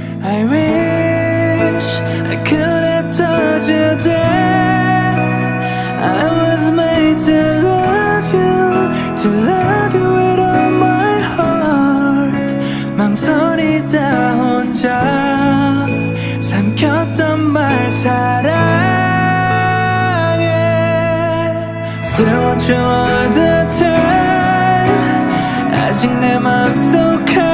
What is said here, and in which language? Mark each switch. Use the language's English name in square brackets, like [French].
[English] I wish I could have told you that I was made to love you with all my heart. [Korean] 망설이다 혼자 삼켰던 말 사랑해. [English] Still want you all the time. [Korean] 아직 내 맘속